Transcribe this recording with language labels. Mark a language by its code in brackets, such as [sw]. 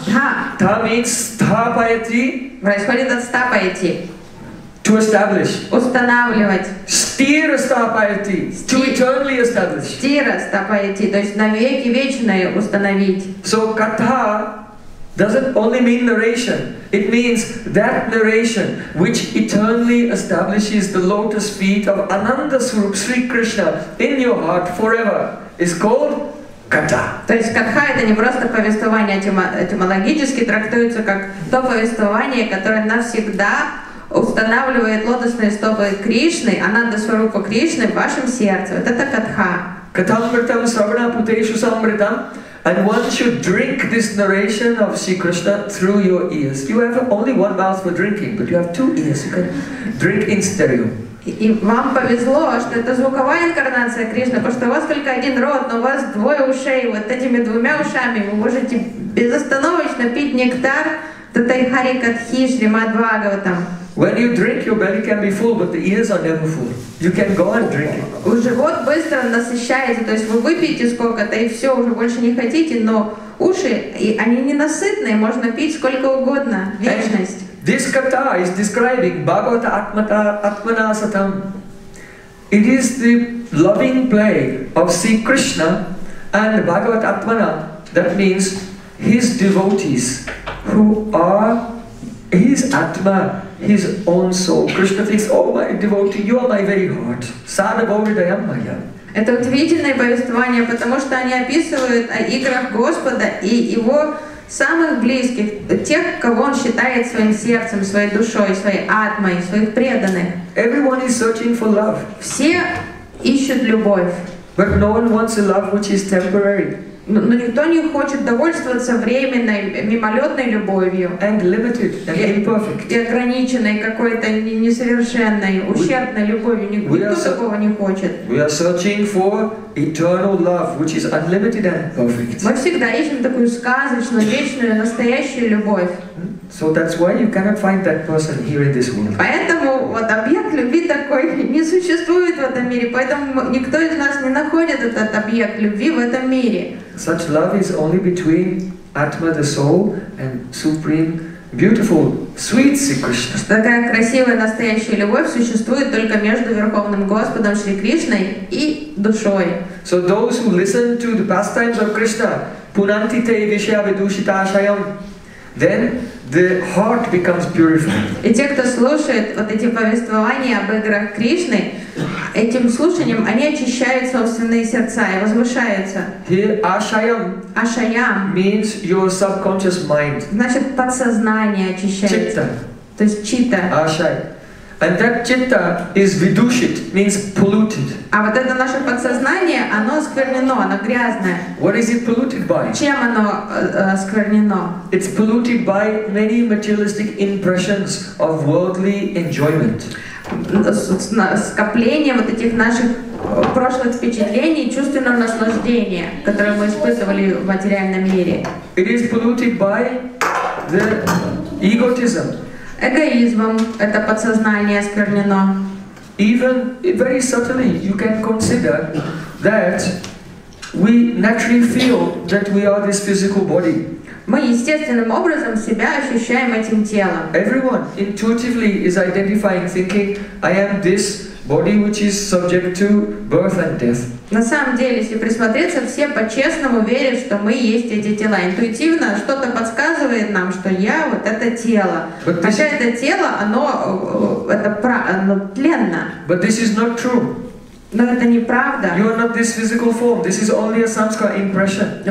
[ru] Та. [en] Та means стапайти. [ru] Происходит от стапайти. [en] To establish. [ru] Устанавливать. [en] Стира стапайти. To eternally establish. [ru] Стира стапайти, то есть навеки вечное установить. [en] So ката doesn't only mean narration. It means that narration which eternally establishes the lotus feet of Ananda Swarup Sri Krishna in your heart forever is called Katha. [ru] То есть Катха это не просто повествование, этимологически трактуется как то повествование, которое навсегда устанавливает лотосные стопы Кришны, Ананда Сварупа Кришны в вашем сердце. Вот это Катха. [sa] Катамритам сравана путешу самритам. [en] And one should drink this narration of Sri Krishna through your ears. You have only one mouth for drinking, but you have two ears. You can drink in stereo. [ru] И вам повезло, что это звуковая инкарнация Кришны, потому что у вас только один рот, но у вас двое ушей. Вот этими двумя ушами вы можете безостановочно пить нектар Татайхари Катхи Шримад-Бхагаватам. [en] When you drink, your belly can be full, but the ears are never full. You can go and drink it. [ru] Живот быстро насыщается, то есть вы выпьете сколько-то и все, уже больше не хотите, но уши, они ненасытные, можно пить сколько угодно, вечность. [en] This kata is describing Bhagavata Atmata Atmanasatam. It is the loving play of Sri Krishna and Bhagavata Atmana. That means his devotees who are his Atma, his own soul. Krishna thinks, oh my devotee, you are my very heart. [sa] Sada Bhavidayam Maya. [ru] Это удивительное повествование, потому что они описывают о играх Господа и его самых близких, тех, кого он считает своим сердцем, своей душой, своей атмой, своих преданных. [en] Everyone is searching for love. [ru] Все ищут любовь. [en] But no one wants a love which is temporary. [ru] Но никто не хочет довольствоваться временной, мимолетной любовью. [en] And limited, and imperfect. [ru] И ограниченной, какой-то несовершенной, ущербной любовью. Никто такого не хочет. [en] We are searching for eternal love, which is unlimited and perfect. [ru] Мы всегда ищем такую сказочную, вечную, настоящую любовь. [en] So that's why you cannot find that person here in this world. [ru] Поэтому вот объект любви такой не существует в этом мире, поэтому никто из нас не находит этот объект любви в этом мире. [en] Such love is only between Atma, the soul, and supreme, beautiful, sweet Sri Krishna. [ru] Такая красивая настоящая любовь существует только между Верховным Господом Шри Кришной и душой. [en] So those who listen to the pastimes of Krishna, [sa] punanti te visya vidushita ashayam, [en] then the heart becomes purified. [ru] И те, кто слушает вот эти повествования об играх Кришны, этим слушанием они очищают собственные сердца и возвышаются. [en] Ашаям means your subconscious mind. [ru] Значит, подсознание очищается. Читта. То есть читта. [en] Ашай. And that citta is vidushit, means polluted. [ru] А вот это наше подсознание, оно осквернено, оно грязное. [en] What is it polluted by? [ru] Чем оно осквернено? [en] It's polluted by many materialistic impressions of worldly enjoyment. [ru] Скопление вот этих наших прошлых впечатлений, чувственного наслаждения, которое мы испытывали в материальном мире. [en] It is polluted by the egotism. [ru] Эгоизмом это подсознание осквернено. [en] Even very subtly, you can consider that we naturally feel that we are this physical body. [ru] Мы естественным образом себя ощущаем этим телом. [en] Everyone intuitively is identifying, thinking, I am this body which is subject to birth and death. [ru] На самом деле, если присмотреться, все по-честному верят, что мы есть эти тела. Интуитивно что-то подсказывает нам, что я вот это тело. Хотя это тело, оно тленно. [en] But this is not true. [ru] Но это неправда. [en] You are not this physical form. This is only a samskara impression.